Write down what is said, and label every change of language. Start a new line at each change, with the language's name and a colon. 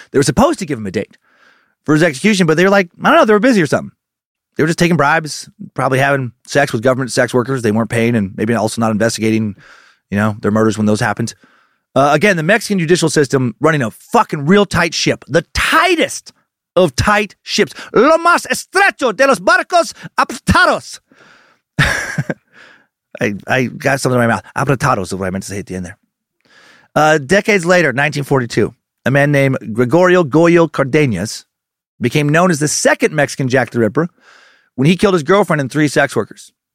English: They were supposed to give him a date for his execution, but they were like, I don't know, they were busy or something. They were just taking bribes, probably having sex with government sex workers they weren't paying, and maybe also not investigating, you know, their murders when those happened. Again, the Mexican judicial system running a fucking real tight ship, the tightest of tight ships.
Spanish: Lo más estrecho de los barcos apretados.
English: I got something in my mouth. Apretados is what I meant to say at the end there. Decades later, 1942, a man named Gregorio Goyo Cardenas became known as the second Mexican Jack the Ripper when he killed his girlfriend and three sex workers.